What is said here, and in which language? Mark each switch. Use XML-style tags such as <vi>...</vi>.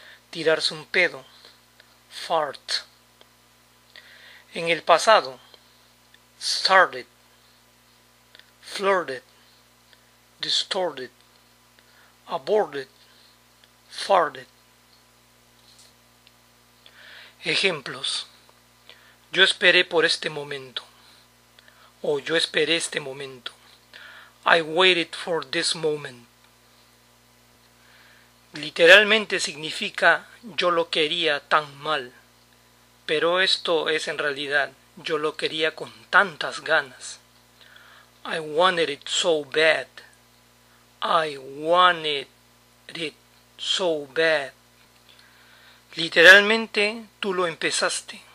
<es>Tirarse un pedo. Fart. En el pasado. Started. Flirted. Distorted. Aborted. Farted. Ejemplos. Yo esperé por este momento. O yo esperé este momento.</es> <en>I waited for this moment.</en> <es>Literalmente significa yo lo quería tan mal. Pero esto es en realidad yo lo quería con tantas ganas.</es> <en>I wanted it so bad. I wanted it so bad.</en> <es>Literalmente, tú lo empezaste,</es>